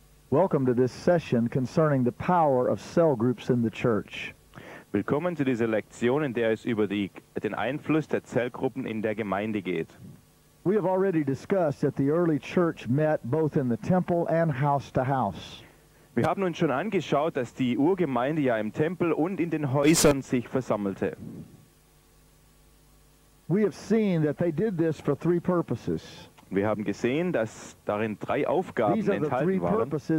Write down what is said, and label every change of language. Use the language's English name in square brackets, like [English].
[English] Welcome to this session concerning the power of cell groups in the church. [German] Willkommen zu dieser Lektion, in der es über den Einfluss der Zellgruppen in der Gemeinde geht. [English] We have already discussed that the early church met both in the temple and house to house. [German] Wir haben uns schon angeschaut, dass die Urgemeinde ja im Tempel und in den Häusern sich versammelte. [English] We have seen that they did this for three purposes. [German] Wir haben gesehen, dass darin drei Aufgaben enthalten waren.